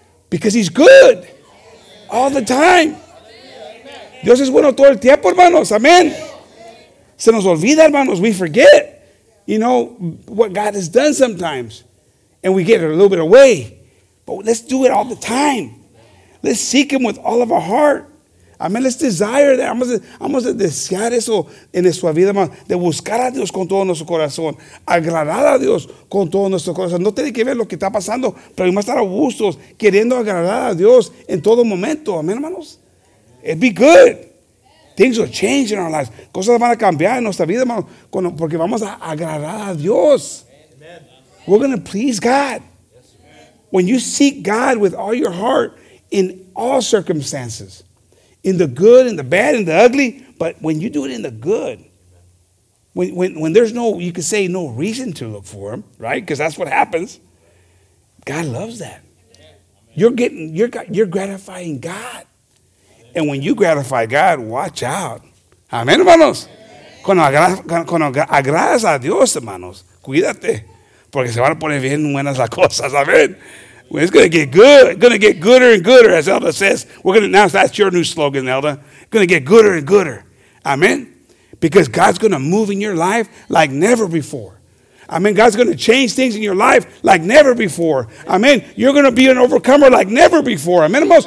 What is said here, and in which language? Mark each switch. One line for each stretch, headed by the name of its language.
English: Because he's good. All the time.
Spanish: Dios es bueno todo el tiempo, hermanos. Amén. Se nos olvida, hermanos.
English: We forget, you know, what God has done sometimes. And we get it a little bit away. But let's do it all the time. Let's seek him with all of our heart. Amen. Let's desire that.
Spanish: Vamos a desear eso en nuestra vida, hermano. De buscar a Dios con todo nuestro corazón. Agradar a Dios con todo nuestro corazón. No tiene que ver lo que está pasando, pero vamos a estar a gustos queriendo agradar a Dios en todo momento. Amén, hermanos.
English: It'd be good. Things will change in our lives.
Spanish: Cosas van a cambiar en nuestra vida, hermano. Cuando, porque vamos a agradar a Dios. Amen.
English: We're going to please God.
Spanish: Yes, amen.
English: When you seek God with all your heart in all circumstances, in the good, in the bad, in the ugly, but when you do it in the good, when there's no, you could say no reason to look for him, right? Because that's what happens. God loves that. Amen. You're gratifying God. Amen. And when you gratify God, watch out. Amen, hermanos.
Spanish: Cuando agradas a Dios, hermanos, cuídate. Porque se van a poner bien buenas las cosas, amen.
English: It's going to get good. It's going to get gooder and gooder, as Elda says. We're going to announce that's your new slogan, Elda. It's going to get gooder and gooder. Amen? Because God's going to move in your life like never before. Amen? God's going to change things in your life like never before. Amen? You're going to be an overcomer like never before. Amen?